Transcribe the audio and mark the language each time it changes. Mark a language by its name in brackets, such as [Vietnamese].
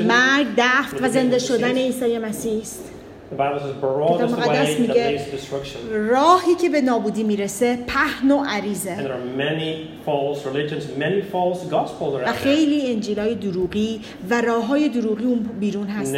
[Persian] مرگ، دفن و زنده شدن عیسی مسیح است. [English] The Bible says, "Broad is the way that leads to destruction." [Persian] راهی که به نابودی میرسه پهن و عریضه. [English] And there are many false religions, many false gospels around. [Persian] و خیلی انجیلای دروغی و راههای دروغی اون بیرون هستن.